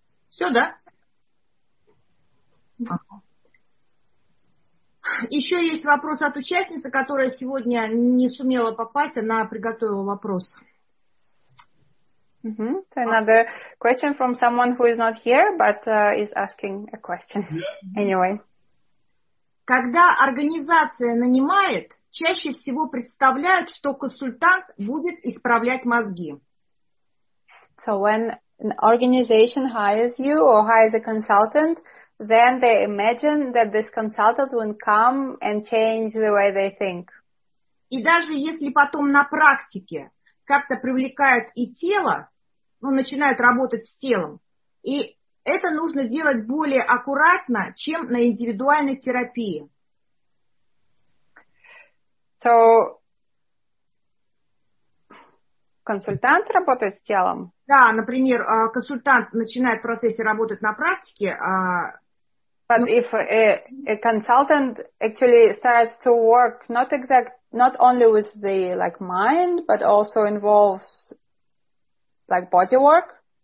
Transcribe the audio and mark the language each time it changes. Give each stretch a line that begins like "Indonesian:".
Russian: Все, да? Еще есть вопрос от участницы, которая сегодня не сумела попасть, она приготовила вопрос.
English: So another question from someone who is not here, but is asking a question. Anyway.
Russian: Когда организация нанимает, чаще всего представляют, что консультант будет исправлять мозги.
English: So when an organization hires you or hires a consultant, then they imagine that this consultant will come and change the way they think.
Russian: И даже если потом на практике как-то привлекают и тело, ну, начинают работать с телом, и это нужно делать более аккуратно, чем на индивидуальной терапии. So, консультант работает с телом? Да, например, консультант начинает в процессе работать на практике.
English: But if a consultant actually starts to work not only with the like mind, but also involves like body work.